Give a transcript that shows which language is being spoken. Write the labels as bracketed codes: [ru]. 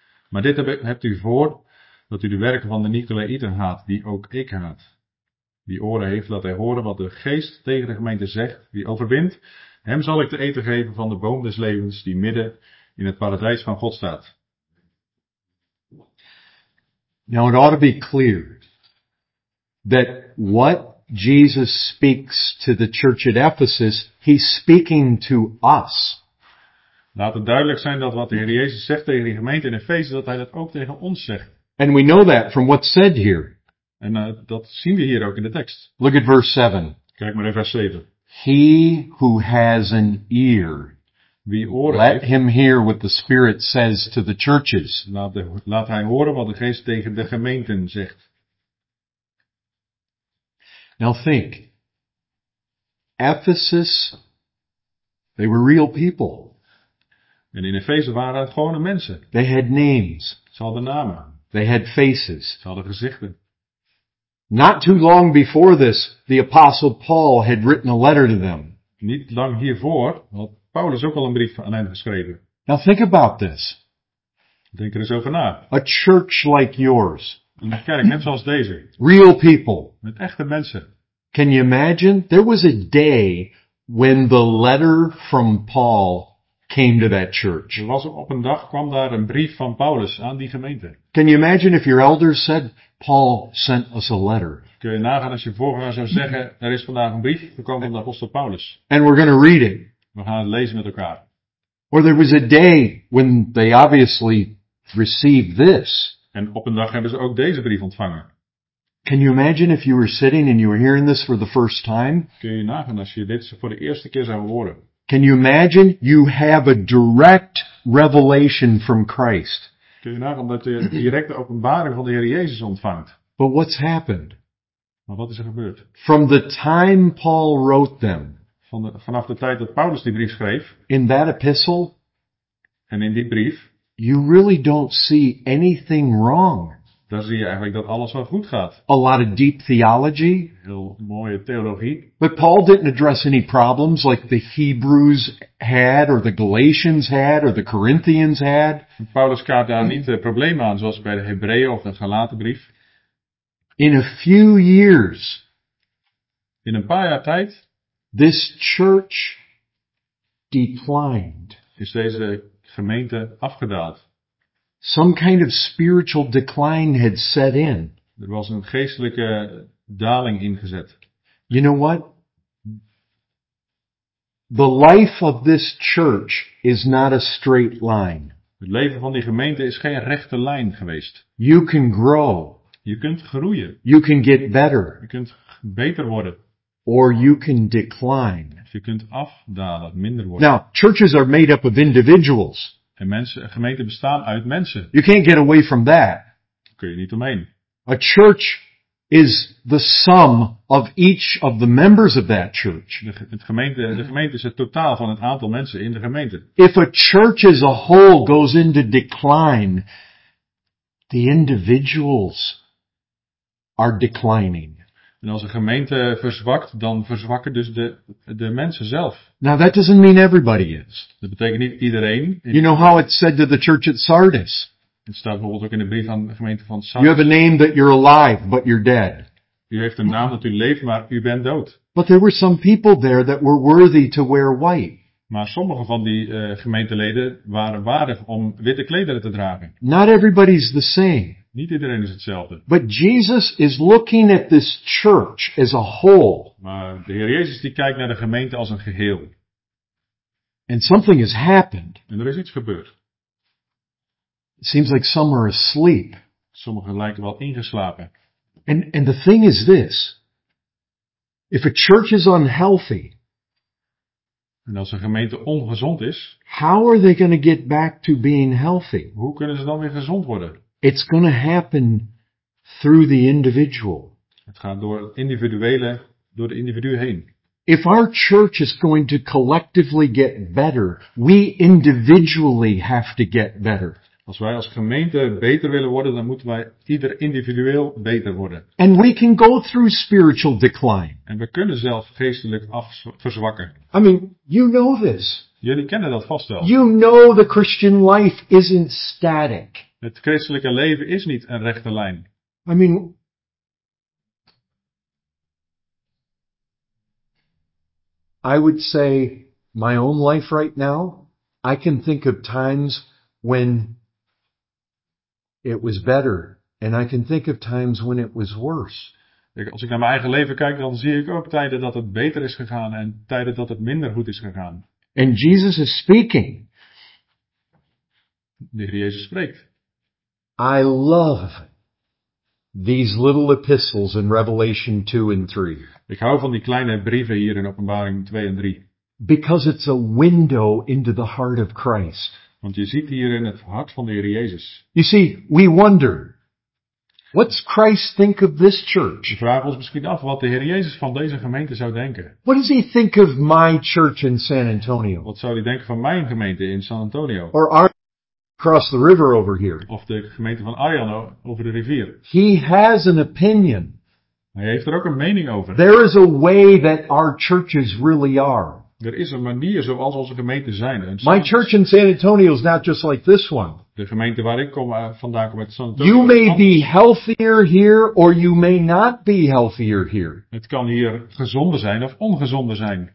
[nl] Maar dit hebt u voor dat u de werken van de Nicolaïten haat, die ook ik haat. Wie oren heeft, laat hij horen wat de geest tegen de gemeente zegt. Wie overwint, hem zal ik te eten geven van de boom des levens die midden in het paradijs van God staat. [en] Now it ought to be clear that what Jesus speaks to the church at Ephesus, he's speaking to us. [nl] Laat het duidelijk zijn dat wat de Heer Jezus zegt tegen die gemeente in Efeze, dat hij dat ook tegen ons zegt. [en] And we know that from what's said here. [nl] En dat zien we hier ook in de tekst. [en] Look at verse 7. [nl] Kijk maar in vers 7. [en] He who has an ear, [nl] wie oren [en] let [nl] heeft, [en] him hear what the Spirit says to the churches. [nl] Laat hij horen wat de Geest tegen de gemeenten zegt. [en] Now think. Ephesus, they were real people. [nl] En in Efeze waren het gewone mensen. [en] They had names. [nl] Ze hadden namen. [en] They had faces. [nl] Ze hadden gezichten. [en] Not too long before this, the apostle Paul had written a letter to them. [nl] Niet lang hiervoor had Paulus ook al een brief aan hen geschreven. [en] Now think about this. [nl] Denk er eens over na. [en] A church like yours. [nl] Een kerk net zoals deze. [en] Real people. [nl] Met echte mensen. [en] Can you imagine? There was a day when the letter from Paul came to that church. [nl] Er was op een dag kwam daar een brief van Paulus aan die gemeente. [en] Can you imagine if your elders said, Paul sent us a letter. [nl] Kun je nagaan als je voorganger zou zeggen, er is vandaag een brief gekomen van de apostel Paulus. [en] And we're going to read it. [nl] We gaan het lezen met elkaar. [en] Or there was a day when they obviously received this. [nl] En op een dag hebben ze ook deze brief ontvangen. [en] Can you imagine if you were sitting and you were hearing this for the first time? [nl] Kun je nagaan als je dit voor de eerste keer zou horen? [en] Can you imagine you have a direct revelation from Christ? [nl] Kun je nagaan dat je direct de openbaring van de Heer Jezus ontvangt. [en] But what's happened? [nl] Maar wat is er gebeurd? [en] From the time Paul wrote them. [nl] Vanaf de tijd dat Paulus die brief schreef. [en] In that epistle. [nl] En in die brief. [en] You really don't see anything wrong. [nl] Daar zie je eigenlijk dat alles wel goed gaat. [en] A lot of deep theology. [nl] Heel mooie theologie. [en] But Paul didn't address any problems like the Hebrews had, or the Galatians had, or the Corinthians had. [nl] Paulus kaart daar niet de problemen aan, zoals bij de Hebreeën of de Galatenbrief. [en] In a few years. [nl] In een paar jaar tijd. [en] This church declined. [nl] Is deze gemeente afgedaald. [en] Some kind of spiritual decline had set in. [nl] Er was een geestelijke daling ingezet. [en] You know what? The life of this church is not a straight line. [nl] Het leven van die gemeente is geen rechte lijn geweest. [en] You can grow. [nl] Je kunt groeien. [en] You can get better. [nl] Je kunt beter worden. [en] Or you can decline. [nl] Je kunt afdalen, minder worden. [en] Now, churches are made up of individuals. [nl] En mensen, gemeenten bestaan uit mensen. [en] You can't get away from that. [nl] Kun je niet omheen. [en] A church is the sum of each of the members of that church. [nl] De gemeente is het totaal van het aantal mensen in de gemeente. [en] If a church as a whole goes into decline, the individuals are declining. [nl] En als een gemeente verzwakt, dan verzwakken dus de mensen zelf. [en] Now that doesn't mean everybody is. [nl] Dat betekent niet iedereen. [en] You know how it's said to the church at Sardis. [nl] Het staat bijvoorbeeld ook in de brief aan de gemeente van Sardis. [en] You have a name that you're alive, but you're dead. [nl] U heeft een naam dat u leeft, maar u bent dood. [en] But there were some people there that were worthy to wear white. [nl] Maar sommige van die gemeenteleden waren waardig om witte klederen te dragen. [en] Not everybody's the same. [nl] Niet iedereen is hetzelfde. [en] But Jesus is looking at this church as a whole. [nl] Maar de Heer Jezus die kijkt naar de gemeente als een geheel. [en] And something has happened. [nl] En er is iets gebeurd. [en] It seems like some are asleep. [nl] Sommigen lijken wel ingeslapen. [en] And the thing is this. If a church is unhealthy. [nl] En als een gemeente ongezond is. [en] How are they going to get back to being healthy? [nl] Hoe kunnen ze dan weer gezond worden? [en] It's going to happen through the individual. [nl] Het gaat door het individuele, door de individu heen. [en] If our church is going to collectively get better, we individually have to get better. [nl] Als wij als gemeente beter willen worden, dan moeten wij ieder individueel beter worden. [en] And we can go through spiritual decline. [nl] En we kunnen zelf geestelijk verzwakken. [en] I mean, you know this. [nl] Jullie kennen dat vast wel. [en] You know the Christian life isn't static. [nl] Het christelijke leven is niet een rechte lijn. [en] I mean, I would say my own life right now, I can think of times when it was better and I can think of times when it was worse. [nl] Als ik naar mijn eigen leven kijk, dan zie ik ook tijden dat het beter is gegaan en tijden dat het minder goed is gegaan. [en] And Jesus is speaking. [nl] De Heer Jezus spreekt. [en] I love these little epistles in Revelation 2 and 3. [nl] Ik hou van die kleine brieven hier in Openbaring 2 en 3. [en] Because it's a window into the heart of Christ. [nl] Want je ziet hier in het hart van de Heer Jezus. [en] You see, we wonder, what's Christ think of this church? [nl] We vragen ons misschien af wat de Heer Jezus van deze gemeente zou denken. [en] What does he think of my church in San Antonio? [nl] Wat zou hij denken van mijn gemeente in San Antonio? [en] Or our across the river over here? [nl] Of de gemeente van Ayano over de rivier? [en] He has an opinion. [nl] Hij heeft er ook een mening over. [en] There is a way that our churches really are. [nl] Er is een manier zoals onze gemeenten zijn. [en] My church in San Antonio is not just like this one. [nl] De gemeente waar ik kom, vandaan kom uit San Antonio. [en] You may be healthier here or you may not be healthier here. [nl] Het kan hier gezonder zijn of ongezonder zijn.